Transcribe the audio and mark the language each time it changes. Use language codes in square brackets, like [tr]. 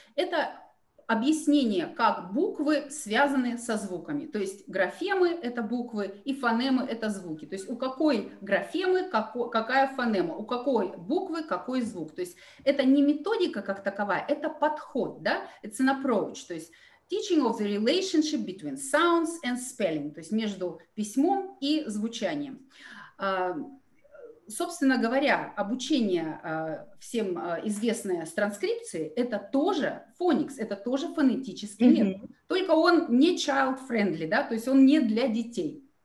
[ru] Это объяснение, как буквы связаны со звуками. То есть графемы – это буквы, и фонемы – это звуки. То есть у какой графемы какая фонема, у какой буквы какой звук. То есть это не методика как таковая, это подход, да? [en] It's an approach. [ru] То есть [en] teaching of the relationship between sounds and spelling. [ru] То есть между письмом и звучанием. Собственно говоря, обучение всем известное с транскрипцией – это тоже фоникс, это тоже фонетический метод, только он не child-friendly, да, то есть он не для детей.